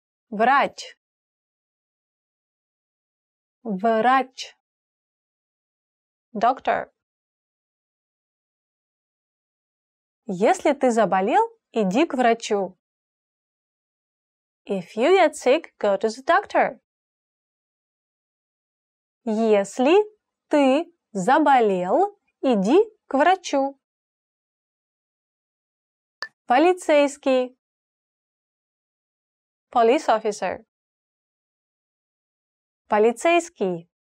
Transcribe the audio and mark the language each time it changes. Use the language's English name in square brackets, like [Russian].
[Russian] Врач. Врач. [English] Doctor. [Russian] Если ты заболел, иди к врачу. [English] If you get sick, go to the doctor. [Russian] Если ты заболел, иди к врачу. Полицейский. [English] Police officer. [Russian] Полицейский.